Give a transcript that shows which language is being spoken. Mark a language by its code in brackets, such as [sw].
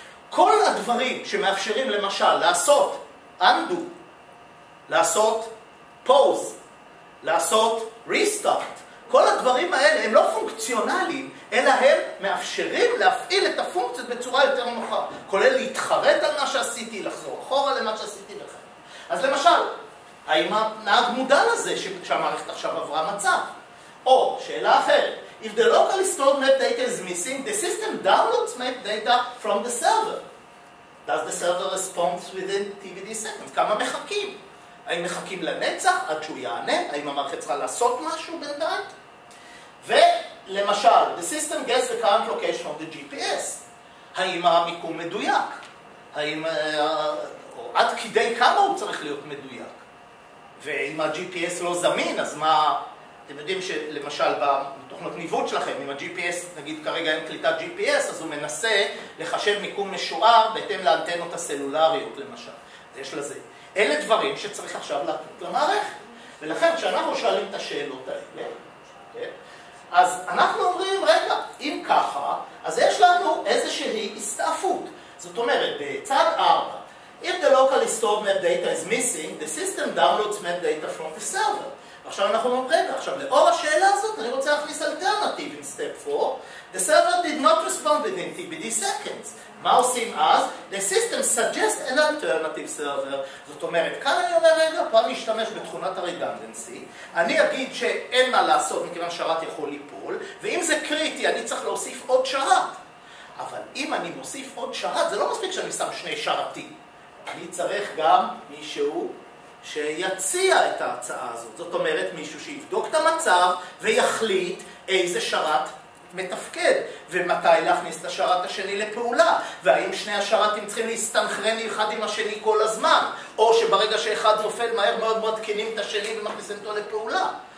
[he] כל הדברים שמאפשרים למשל לעשות undo, לעשות pause, לעשות restart, כל הדברים האלה הם לא פונקציונליים, אלא הם מאפשרים להפעיל את הפונקציות בצורה יותר נוחה, כולל להתחרט על מה שעשיתי, לחזור אחורה למה שעשיתי לכם. אז למשל, האם הנהג מודע לזה שהמערכת עכשיו עברה מצב? או שאלה אחרת, [en] If the locally stored map data is missing, the system downloads map data from the server. Does the server respond within TBD seconds? [he] כמה מחכים? האם מחכים לנצח עד שהוא יענה? האם המערכת צריכה לעשות משהו בינתיים? ולמשל, [en] the system gets the current location from the GPS. [he] האם המיקום מדויק? האם, או עד כדי כמה הוא צריך להיות מדויק? ואם ה-GPS לא זמין, אז מה... אתם יודעים שלמשל בתוכנות ניווט שלכם, אם ה-GPS, נגיד כרגע אין קליטת GPS, אז הוא מנסה לחשב מיקום משוער בהתאם לאנטנות הסלולריות למשל. אז יש לזה. אלה דברים שצריך עכשיו להקליט למערכת. ולכן כשאנחנו שואלים את השאלות האלה, אז אנחנו אומרים, רגע, אם ככה, אז יש לנו איזושהי הסתעפות. זאת אומרת, בצד 4, [en] If the locally stored map data is missing, the system downloads map data from the server. [he] עכשיו אנחנו אומרים, עכשיו לאור השאלה הזאת, אני רוצה להכניס אלטרנטיב [en] in step 4. The server did not respond within TBD seconds. [he] מה עושים אז? [en] The system suggests an alternative server. [he] זאת אומרת, כאן אני אומר רגע, פעם להשתמש בתכונת הרידנדנסי, אני אגיד שאין מה לעשות מכיוון שרת יכול ליפול, ואם זה קריטי, אני צריך להוסיף עוד שרת. אבל אם אני מוסיף עוד שרת, זה לא מספיק שאני שם שני שרתים. אני צריך גם מישהו שיציע את ההצעה הזאת, זאת אומרת מישהו שיבדוק את המצב ויחליט איזה שרת מתפקד ומתי להכניס את השרת השני לפעולה והאם שני השרתים צריכים להסתנכרן אחד עם השני כל הזמן או שברגע שאחד נופל מהר מאוד מעדכנים את השני ומכניסים אותו לפעולה.